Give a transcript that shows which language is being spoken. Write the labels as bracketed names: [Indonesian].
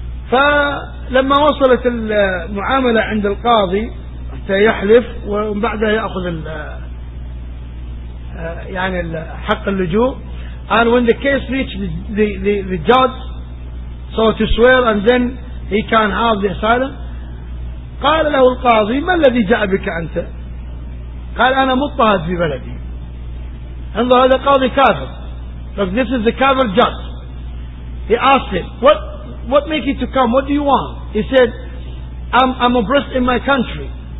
[Arabic] فلما وصلت المعاملة عند القاضي حتى يحلف ومن بعدها يأخذ يعني حق اللجوء. [English] And when the case reached the judge, so to swear and then he can have the asylum. [Arabic] قال له القاضي ما الذي جاء بك أنت؟ قال أنا مضطهد في بلدي. انظر هذا القاضي كافر. [English] Look, this is the cover judge. He asked him, what make you to come? What do you want? He said, I'm oppressed in my country.